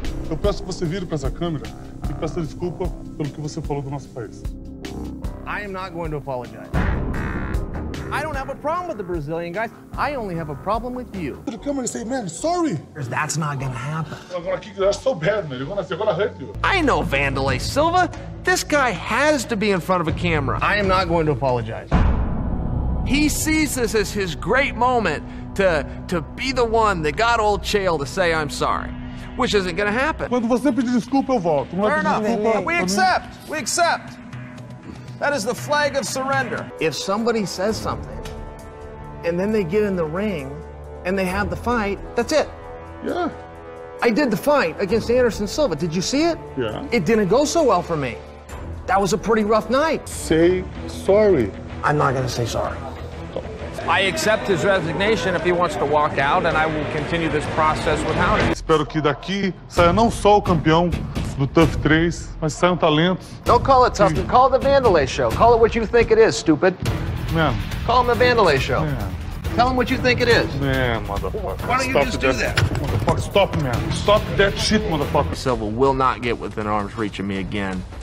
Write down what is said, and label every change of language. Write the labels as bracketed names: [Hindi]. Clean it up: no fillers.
[Portuguese] Eu peço que você vire para essa câmera e peça desculpa pelo que você falou do nosso país. [English] I am not going to apologize. I don't have a problem with the Brazilian guys. I only have a problem with you. Put the camera and say, man, sorry. That's not gonna happen. I'm gonna kick your ass so bad, man. You're gonna hurt you. I know Wanderlei Silva. This guy has to be in front of a camera. I am not going to apologize. He sees this as his great moment to be the one that got old Chael to say, I'm sorry, which isn't gonna happen. [Portuguese] Quando você pedir desculpa, eu volto. [English] Fair enough. We accept. We accept. That is the flag of surrender. If somebody says something, and then they get in the ring, and they have the fight, that's it. Yeah. I did the fight against Anderson Silva. Did you see it? Yeah. It didn't go so well for me. That was a pretty rough night. Say sorry. I'm not gonna say sorry. I accept his resignation if he wants to walk out, and I will continue this process without him. [Portuguese] Espero que daqui saia não só o campeão do Tough 3, mas saia um talento. [English] Don't call it tough, call it the Wanderlei Show. Call it what you think it is, stupid. Man. Call him the Wanderlei Show. Man. Tell him what you think it is. Man, motherfucker. Why don't you just do that? Motherfucker, stop, man. Stop that shit, motherfucker. Silva will not get within arm's reach of me again.